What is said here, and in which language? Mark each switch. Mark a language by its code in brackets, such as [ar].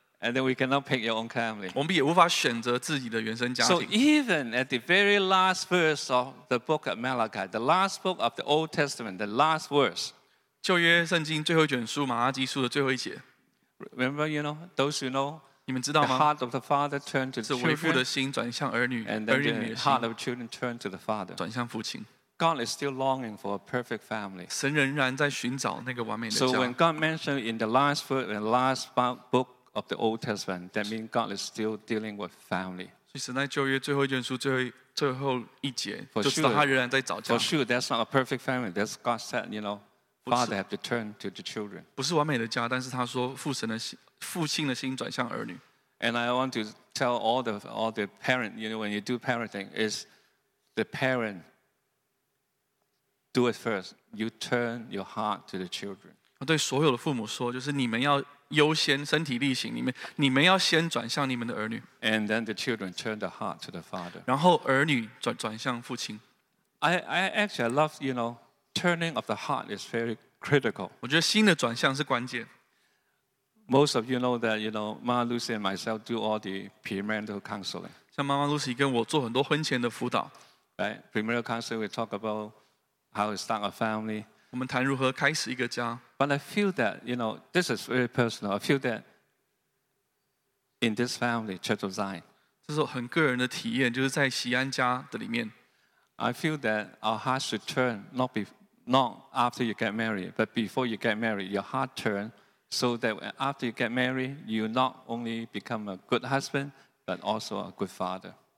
[en] And then we cannot pick your own family. So even at the very last verse of the book of Malachi, the last book of the Old Testament, the last verse. [zh] 旧约圣经最后一卷书，马拉基书的最后一节。 [en] Remember, you know, those who know. [zh] 你们知道吗? [en] The heart of the father turned to the children. [zh] 是为父的心转向儿女, [en] and then the heart of children turned to the father. [zh] 转向父亲。 [en] God is still longing for a perfect family. [zh] 神仍然在寻找那个完美的家。 [en] So when God mentioned in the last verse, in the last book of the Old Testament, that means God is still dealing with family. [zh] 所以神在旧约最后一卷书最后一节, 就是他仍然在找家。 [en] For sure, that's not a perfect family. That's God said, you know, father have to turn to the children. [zh] 不是完美的家, 但是他说父亲的心转向儿女。 [en] And I want to tell all the parents, you know, when you do parenting, is the parent. Do it first. You turn your heart to the children. [zh] 对所有的父母说，就是你们要优先身体力行，你们要先转向你们的儿女。 [en] And then the children turn the heart to the father. [zh] 然后儿女转向父亲。 [en] I actually love, you know, turning of the heart is very critical. [zh] 我觉得心的转向是关键。 [en] Most of you know that, you know, Mama Lucy and myself do all the premarital counseling. [zh] 像妈妈 Lucy 跟我做很多婚前的辅导。 [en] Right, premarital counseling we talk about. How to start a family. But I feel that, you know, this is very personal. I feel that in this family, Church of Zion, [zh] 这是很个人的体验，就是在锡安家的里面。 [en] I feel that our hearts should turn, not after you get married, but before you get married, your heart turn so that after you get married, you not only become a good husband, but also a good father.